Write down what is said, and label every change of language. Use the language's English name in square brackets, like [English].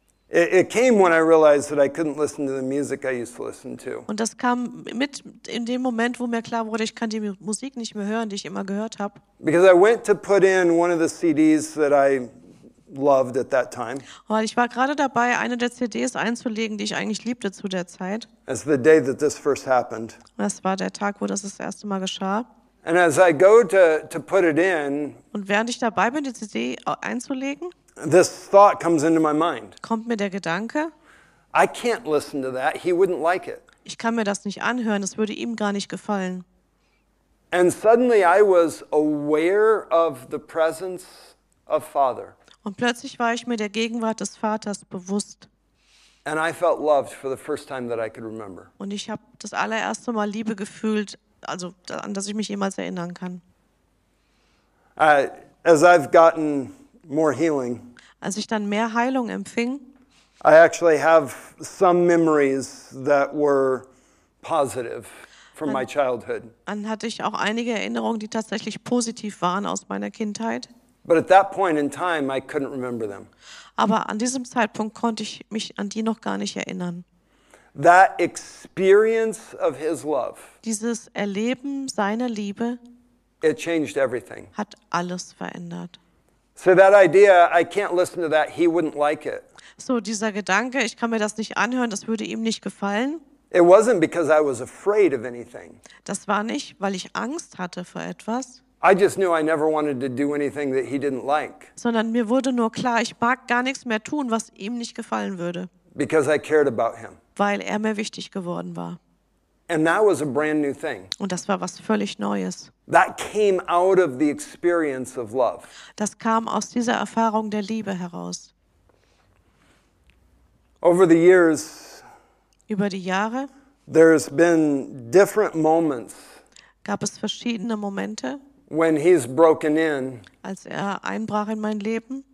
[English] It came when I realized that I couldn't listen to the music I used to listen to. [German] Und das kam mit in dem Moment, wo mir klar wurde, ich kann die Musik nicht mehr hören, die ich immer gehört habe. [English] Because I went to put in one of the CDs that I loved at that time. [German] Weil ich war gerade dabei, eine der CDs einzulegen, die ich eigentlich liebte zu der Zeit. [English] As the day that this first happened. [German] Das war der Tag, wo das erste Mal geschah. [English] And as I go to put it in. [German] Und während ich dabei bin, die CD einzulegen. [English] this thought comes into my mind. [German] Kommt mir der Gedanke? [English] I can't listen to that. He wouldn't like it. [German] Ich kann mir das nicht anhören. Es würde ihm gar nicht gefallen. [English] And suddenly I was aware of the presence of Father. [German] Und plötzlich war ich mir der Gegenwart des Vaters bewusst. [English] And I felt loved for the first time that I could remember. [German] Und ich habe das allererste Mal Liebe gefühlt, also an das ich mich jemals erinnern kann. [English] As I've gotten more healing, [German] als ich dann mehr Heilung empfing, [English] I actually have some memories that were positive from my childhood. [German] Dann hatte ich auch einige Erinnerungen, die tatsächlich positiv waren aus meiner Kindheit. [English] But at that point in time, I couldn't remember them. [German] Aber an diesem Zeitpunkt konnte ich mich an die noch gar nicht erinnern. [English] That experience of his love, [German] dieses Erleben seiner Liebe, [English] it changed everything. [German] Hat alles verändert. [English] So that idea, I can't listen to that, he wouldn't like it. [German] So dieser Gedanke, ich kann mir das nicht anhören, das würde ihm nicht gefallen. [English] It wasn't because I was afraid of anything. [German] Das war nicht, weil ich Angst hatte vor etwas. [English] I just knew I never wanted to do anything that he didn't like. [German] Sondern mir wurde nur klar, ich mag gar nichts mehr tun, was ihm nicht gefallen würde. [English] Because I cared about him. [German] Weil er mir wichtig geworden war. [English] And that was a brand new thing. [German] Und das war was völlig Neues. [English] That came out of the experience of love. [German] Das kam aus dieser Erfahrung der Liebe heraus. [English] Over the years, [German] über die Jahre, [English] there's been different moments. [German] Gab es verschiedene Momente. [English] When he's broken in, [German] als er einbrach in mein Leben,